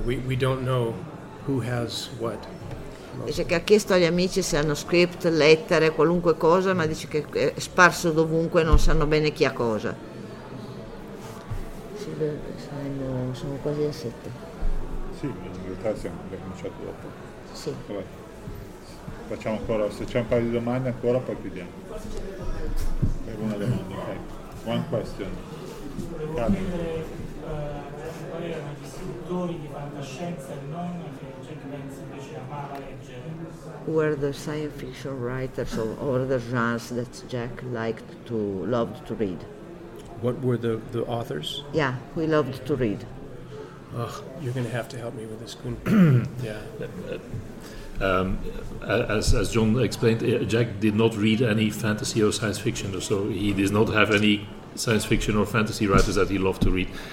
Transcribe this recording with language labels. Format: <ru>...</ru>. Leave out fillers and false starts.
<en>We don't know who has what.</en> <it>Dice che ha chiesto agli amici se hanno script, lettere, qualunque cosa, ma dice che è sparso dovunque, non sanno bene chi ha cosa. Sì, sono quasi a 7. Sì, in realtà siamo cominciati dopo. Sì. Vabbè. Facciamo ancora, se c'è un paio di domande ancora, poi chiudiamo. Per una domanda, ok.</it> <en>One question.</en> <it>Volevo chiedere qual era il vissuto creatori di fantascienza e non che Jack Benz invece amava leggere.</it> <en>Who are the science fiction writers of all the genres that Jack liked to loved to read? What were the authors? Yeah, we loved to read. Oh, you're going to have to help me with this, Kun. As John explained, Jack did not read any fantasy or science fiction, so he does not have any science fiction or fantasy writers that he loved to read.</en>